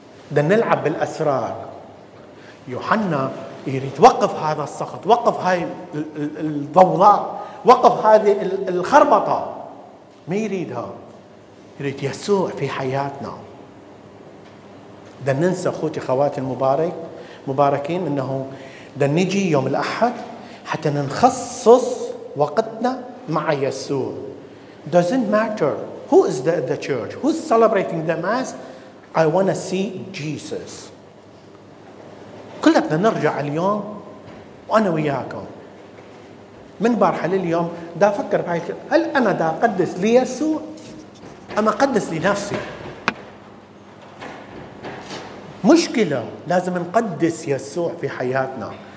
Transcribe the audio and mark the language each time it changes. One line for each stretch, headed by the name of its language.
Arabic: بدنا نلعب بالأسرار. يوحنا يريد وقف هذا السخط، وقف هاي الضوضاء، وقف هذه الخربطة. ما يريدها، يريد يسوع في حياتنا. بدنا ننسى أخوتي خواتي المبارك مباركين أنه بدنا نجي يوم الأحد حتى نخصص وقتنا مع يسوع.
English: Doesn't matter who is the church, who's celebrating the mass. I want to see Jesus.
Arabic: كلنا نرجع اليوم وأنا وياكم من بارحة لليوم دا أفكر بهاي. هل أنا دا أقدس ليسوع أم أقدس لنفسي؟ مشكلة، لازم نقدس يسوع في حياتنا.